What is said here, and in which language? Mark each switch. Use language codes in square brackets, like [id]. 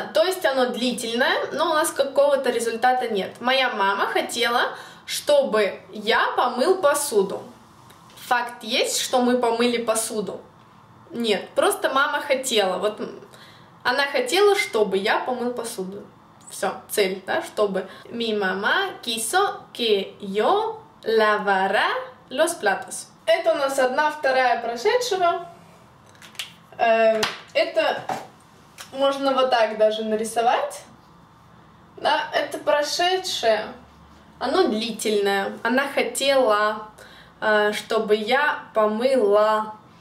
[ru] То есть оно длительное, но у нас какого-то результата нет. Моя мама хотела, чтобы я помыл посуду. Факт есть, что мы помыли посуду? Нет, просто мама хотела. Вот она хотела, чтобы я помыл посуду. Все, цель, да, чтобы. [es] Mi mamá quiso que yo lavara los platos. [ru] Это у нас одна вторая прошедшего. Это можно вот так даже нарисовать. Да, это прошедшее. Оно длительное. Она хотела, чтобы я помыла.